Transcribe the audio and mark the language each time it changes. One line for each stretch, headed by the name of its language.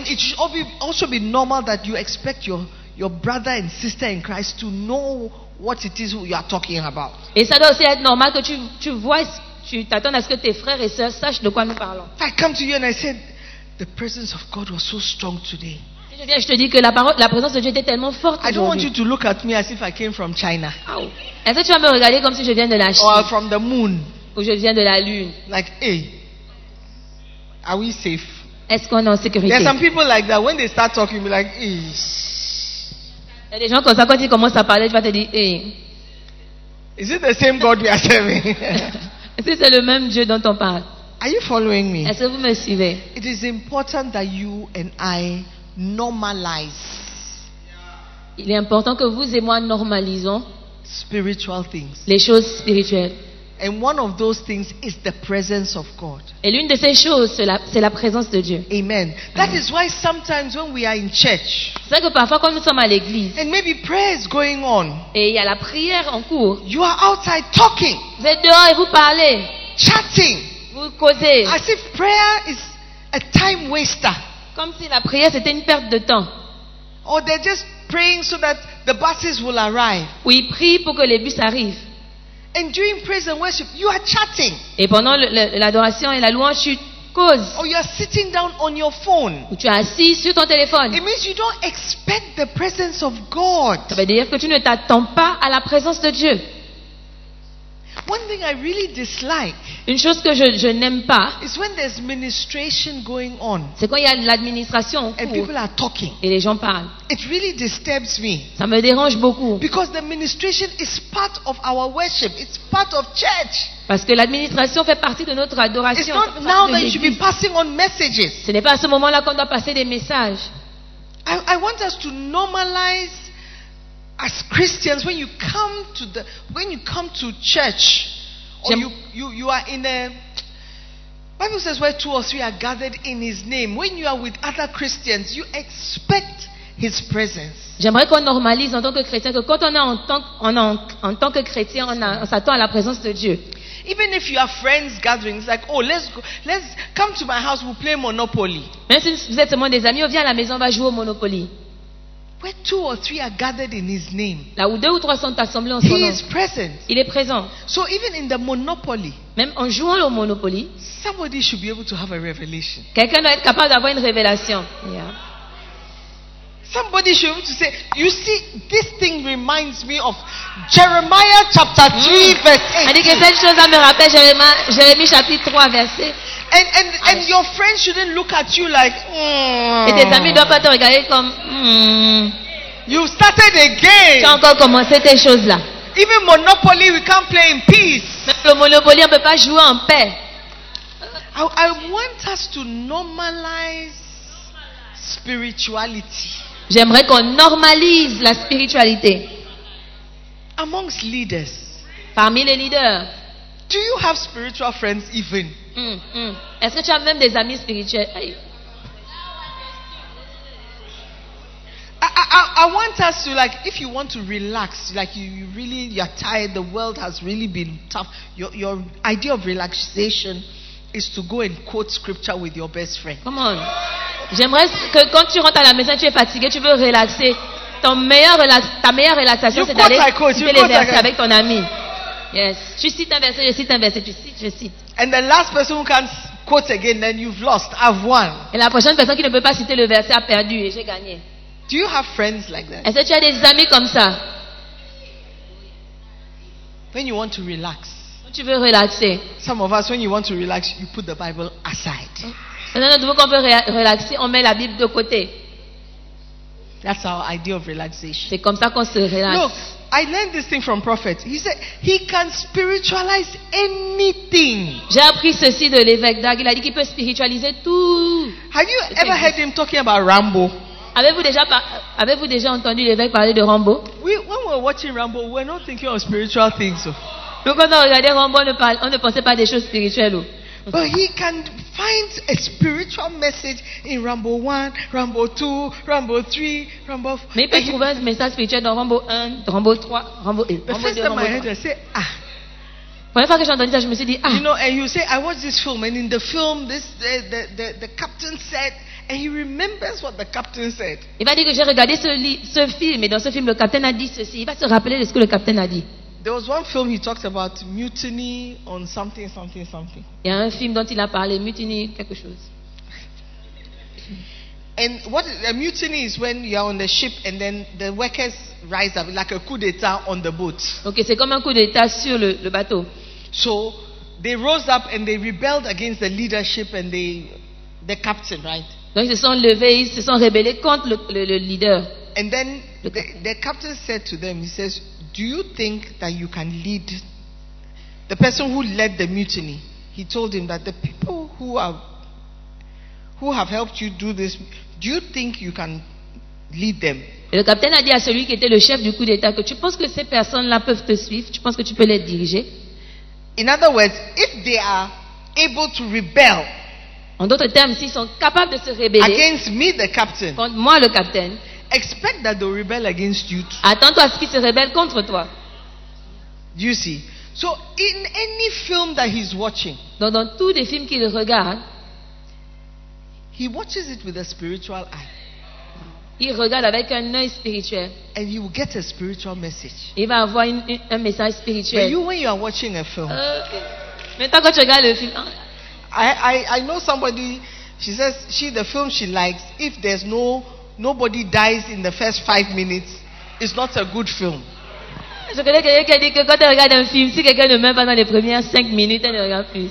English: And it should also be normal that you expect your brother and sister in Christ to know what it is you are talking about.
French: Et ça doit aussi être normal que tu vois, tu t'attends à ce que tes frères et sœurs sachent de quoi nous parlons.
English: If I come to you and I said the presence of God was so strong today.
French: Si je viens, je te dis que la présence de Dieu était tellement forte aujourd'hui.
English: I don't want you to look at me as if I came from China. Oh.
French: Est-ce que tu vas me regarder comme si je viens de la Chine?
English: Or from the moon.
French: Ou je viens de la lune.
English: Like, hey, are we safe?
French: Est-ce qu'on est en sécurité?
English: There are some people like that when they start talking, be like, eesh.
French: Il y a des gens comme ça, quand ils commencent à parler, tu vas te dire, hey.
English: Is it the same God we are serving?
French: Est-ce que c'est le même Dieu dont on parle?
English: Are you following me?
French: Est-ce que vous me suivez?
English: It is important that you and I normalize.
French: Il est important que vous et moi normalisons
English: spiritual things.
French: Les choses spirituelles.
English: And one of those things is the presence of God.
French: Et l'une de ces choses, c'est la présence de Dieu.
English: Amen. That is why sometimes when we are in church,
French: c'est vrai que parfois quand nous sommes à l'église,
English: and maybe prayer is going on,
French: et il y a la prière en cours,
English: you are outside talking,
French: vous êtes dehors et vous parlez,
English: chatting,
French: Vous causez.
English: As if prayer is a time waster.
French: Comme si la prière c'était une perte de temps.
English: Or they're just praying so that the buses will arrive.
French: Ou ils prient pour que les bus arrivent.
English: And during praise and worship, you are chatting.
French: Et pendant l'adoration et la louange, tu causes.
English: Or you are sitting down on your phone.
French: Ou tu es assis sur ton téléphone.
English: It means you don't expect the presence of God.
French: Ça veut dire que tu ne t'attends pas à la présence de Dieu.
English: One thing I really dislike.
French: Une chose que je n'aime pas.
English: Is when there's ministration going on.
French: C'est quand il y a l'administration.
English: And people are talking.
French: Et les gens parlent.
English: It really disturbs me.
French: Ça me dérange beaucoup.
English: Because the ministration is part of our worship. It's part of church.
French: Parce que l'administration fait partie de notre adoration.
English: It's not now that you should be passing on messages.
French: Ce n'est pas à ce moment-là qu'on doit passer des messages.
English: I want us to normalize. As Christians, when you come to church, or you are in a Bible says where two or three are gathered in His name. When you are with other Christians, you expect His presence.
French: J'aimerais qu'on normalise en tant que chrétien que quand on est en tant que chrétien, on s'attend à la présence de Dieu.
English: Even if you are friends gathering, it's like, oh, let's come to my house, we'll play Monopoly.
French: Même si vous êtes seulement des amis, on vient à la maison, on va jouer au Monopoly.
English: Where two or three are gathered in His name.
French: Là où deux ou trois sont assemblés en son nom.
English: He is present.
French: Il est présent.
English: So even in the Monopoly.
French: Même en jouant au Monopoly.
English: Somebody should be able to have a revelation.
French: Quelqu'un doit être capable d'avoir une révélation. Yeah.
English: Somebody should be able to say, you see, this thing reminds me of Jeremiah chapter 3 verse 8.
French: Elle dit que cette chose me rappelle Jérémie chapitre 3 verset.
English: And your friend shouldn't look at you like.
French: Et tes amis doivent pas te regarder comme.
English: You started again.
French: Tu as encore commencé tes choses là.
English: Even Monopoly, we can't play in peace.
French: Même le Monopoly, on peut pas jouer en paix.
English: I want us to normalize spirituality.
French: J'aimerais qu'on normalise la spiritualité.
English: Amongst leaders.
French: Parmi les leaders.
English: Do you have spiritual friends even?
French: Est-ce que tu as même des amis spirituels?
English: I want us to like, if you want to relax, like you're tired, the world has really been tough. Your idea of relaxation is to go and quote scripture with your best friend. Come on.
French: J'aimerais que quand tu rentres à la maison, tu es fatigué, tu veux relaxer. Ta meilleure relaxation, c'est d'aller citer les versets avec ton ami. Yes. Tu cites un verset, je cite un verset, je cite.
English: And the last person who can't quote again, then you've lost. I've won.
French: Et la prochaine personne qui ne peut pas citer le verset a perdu et j'ai gagné.
English: Do you have friends like that?
French: Est-ce que tu as des amis comme ça?
English: When you want to relax.
French: Quand tu veux relaxer.
English: Some of us, when you want to relax, you put the Bible aside.
French: Quand on veut relaxer, on met la Bible de côté.
English: That's our idea of relaxation.
French: C'est comme ça qu'on se relaxe.
English: Look, I learned this thing from prophet. He said he can spiritualize anything.
French: J'ai appris ceci de l'évêque Dag. Il a dit qu'il peut spiritualiser tout.
English: Have you ever heard him talking about Rambo?
French: Avez-vous déjà entendu l'évêque parler de Rambo?
English: When we were watching Rambo, we were not thinking of spiritual things.
French: Donc quand on regardait Rambo, on ne pensait pas des choses spirituelles.
English: But he can find a spiritual message in Rambo 1, Rambo 2, Rambo 3, Rambo 4.
French: Mais il peut trouver un message spirituel dans Rambo 1, Rambo 3, Rambo 1.
English: The first time I heard it, I said, ah.
French: Première fois que j'ai entendu ça, je me suis dit, ah.
English: You know, and you say, I watched this film, and in the film, the captain said, and he remembers what the captain said.
French: Il va dire que j'ai regardé ce film, et dans ce film, le captain a dit ceci. Il va se rappeler de ce que le captain a dit.
English: There was one film he talked about mutiny on something.
French: Il y a un film dont il a parlé, mutiny quelque chose.
English: And what a mutiny is when you are on the ship and then the workers rise up like a coup d'état on the boat.
French: Okay, c'est comme un coup d'état sur le bateau.
English: So they rose up and they rebelled against the leadership and the captain, right?
French: Donc ils se sont levés, ils se sont rebellés contre le leader.
English: And then the captain said to them, he says, do you think that you can lead the person who led the mutiny? He told him that the people who have helped you do this, do you think you can lead them?
French: Et le capitaine a dit à celui qui était le chef du coup d'état que tu penses que ces personnes-là peuvent te suivre? Tu penses que tu peux les diriger?
English: In other words, if they are able to rebel.
French: En d'autres termes, s'ils sont capables de se rebeller.
English: Against me, the captain.
French: Contre moi, le capitaine.
English: Expect that they'll rebel against you.
French: Attends-toi à ce qu'ils se rebellent contre toi.
English: You see, So in any film that he's watching,
French: dans tous les films qu'il regarde,
English: he watches it with a spiritual eye.
French: Il regarde avec un œil spirituel.
English: And he will get a spiritual message.
French: Il va avoir un message spirituel.
English: But you, when you are watching a film,
French: maintenant quand tu regardes le film,
English: I know somebody. She says she the film she likes. If there's nobody dies in the first 5 minutes, it's not a good film.
French: Je connais quelqu'un qui a dit que quand tu regardes un film, si quelqu'un ne meurt pas dans les premières 5 minutes, elle ne regarde plus.